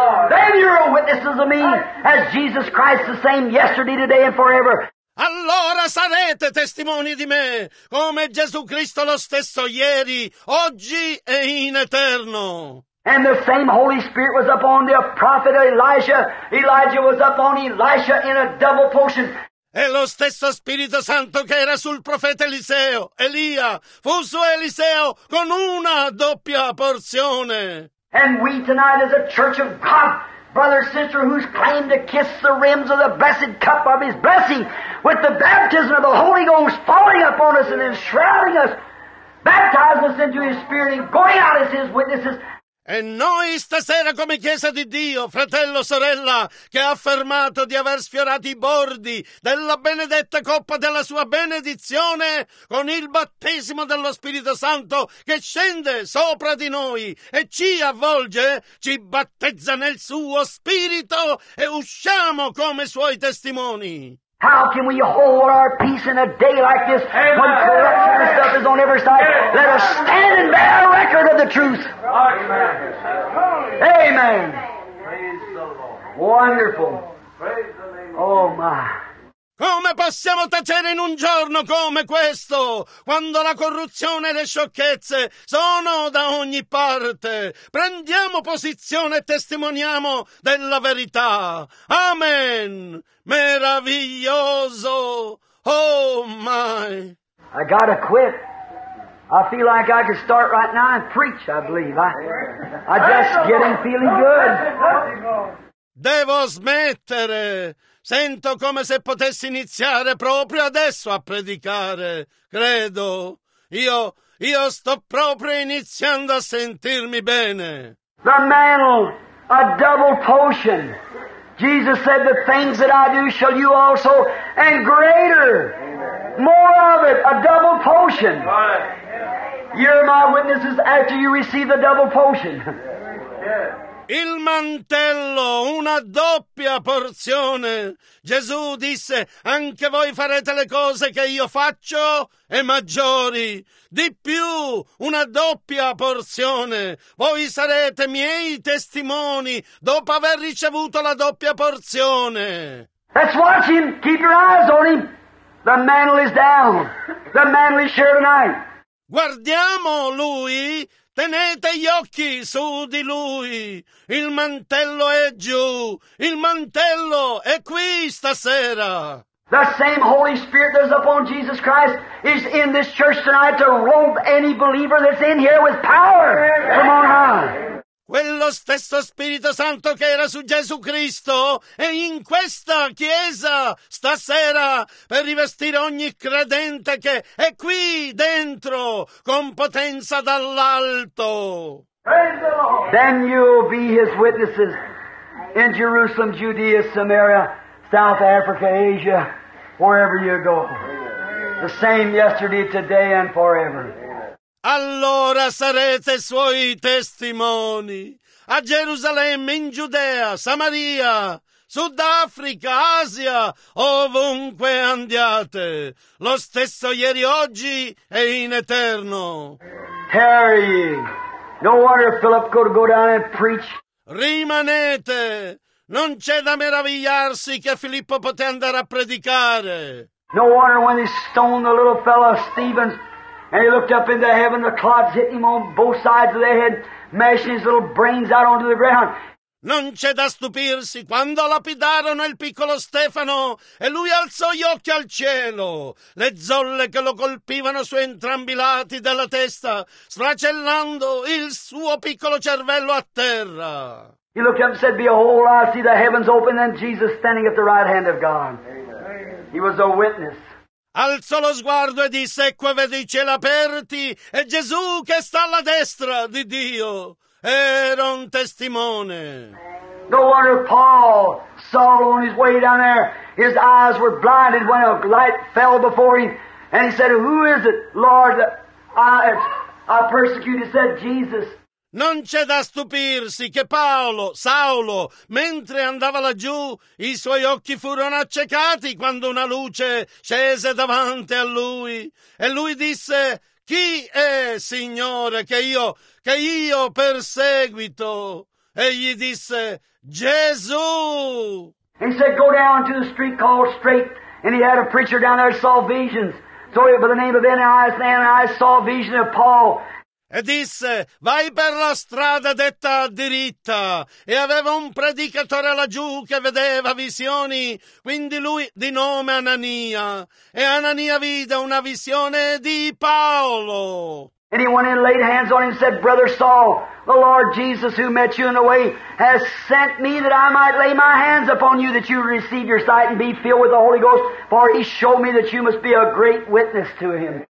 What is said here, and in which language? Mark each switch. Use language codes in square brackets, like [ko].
[en] Then you're witnesses of me as Jesus Christ the same yesterday, today and forever. [it] Allora sarete testimoni di me come Gesù Cristo lo stesso ieri, oggi e in eterno. [en] And the same Holy Spirit was upon the prophet Elijah. Elijah was upon Elisha in a double portion. [it] E lo stesso Spirito Santo che era sul profeta Eliseo, Elia, fu su Eliseo con una doppia porzione. [en] And we tonight as a church of God, brother, sister, who's claimed to kiss the rims of the blessed cup of His blessing with the baptism of the Holy Ghost falling upon us and enshrouding us, baptizing us into His Spirit and going out as His witnesses. [it] E noi stasera come Chiesa di Dio, fratello, sorella, che ha affermato di aver sfiorato i bordi della benedetta coppa della sua benedizione con il battesimo dello Spirito Santo che scende sopra di noi e ci avvolge, ci battezza nel suo Spirito e usciamo come suoi testimoni. [en] How can we hold our peace in a day like this when corruption and stuff is on every side? Let us stand and bear a record of the truth. Amen. Amen. Praise the Lord. Wonderful. Oh my. [it] Come possiamo tacere in un giorno come questo, quando la corruzione e le sciocchezze sono da ogni parte? Prendiamo posizione e testimoniamo della verità. Amen. Meraviglioso. [en] Oh my. I gotta quit. I feel like I could start right now and preach, I believe. I just getting feeling good. [it] Devo smettere. Sento come se potessi iniziare proprio adesso a predicare, credo. Io sto proprio iniziando a sentirmi bene. [en] The mantle, a double portion. Jesus said, the things that I do shall you also, and greater, more of it, a double portion. You're my witnesses after you receive the double portion. [it] Il mantello, una doppia porzione. Gesù disse, anche voi farete le cose che io faccio e maggiori. Di più, una doppia porzione. Voi sarete miei testimoni dopo aver ricevuto la doppia porzione. [en] Let's watch him. Keep your eyes on him. The mantle is down. The mantle is here tonight. [it] Guardiamo lui. Tenete gli occhi su di lui. Il mantello è giù. Il mantello è qui stasera. [en] The same Holy Spirit that is upon Jesus Christ is in this church tonight to robe any believer that's in here with power. Come on high. [it] Quello stesso Spirito Santo che era su Gesù Cristo è in questa chiesa stasera per rivestire ogni credente che è qui dentro con potenza dall'alto. [en] Then you'll be his witnesses in Jerusalem, Judea, Samaria, South Africa, Asia, wherever you go. The same yesterday, today and forever. [it] Allora sarete suoi testimoni a Gerusalemme, in Giudea, Samaria, Sudafrica, Asia, ovunque andiate, lo stesso ieri, oggi e in eterno. [en] Tarry. No wonder Philip could go down and preach. [it] Rimanete. Non c'è da meravigliarsi che Filippo poté andare a predicare. [en] No wonder when he stoned the little fellow Stephen. And he looked up into heaven, the clods hit him on both sides of the head, mashing his little brains out onto the ground. [it] Non c'è da stupirsi quando lapidarono il piccolo Stefano e lui alzò gli occhi al cielo. Le zolle che lo colpivano su entrambi i lati della testa, sfracellando il suo piccolo cervello a terra. [en] He looked up and said, "Behold, I see the heavens open and Jesus standing at the right hand of God." He was a witness. [it] Alzò lo sguardo e disse, "Ecco, vedo i cieli aperti e Gesù che sta alla destra di Dio." Era un testimone. [en] No wonder Paul, Saul, on his way down there, his eyes were blinded when a light fell before him, and he said, "Who is it, Lord, that I persecute?" He said, "Jesus." [it] Non c'è da stupirsi che Paolo, Saulo, mentre andava laggiù, i suoi occhi furono accecati quando una luce scese davanti a lui, e lui disse, "Chi è, Signore, che io perseguito?" Egli disse, "Gesù." [en] He said, "Go down to the street called Straight," and he had a preacher down there saw visions. So by the name of Ananias, Ananias saw a vision of Paul. [it] E disse, "Vai per la strada detta diritta." E aveva un predicatore laggiù che vedeva visioni, quindi lui di nome Anania. E Anania vide una visione di Paolo. [en] And he went in and laid hands on him and said, "Brother Saul, the Lord Jesus who met you in the way has sent me that I might lay my hands upon you that you receive your sight and be filled with the Holy Ghost, for he showed me that you must be a great witness to him."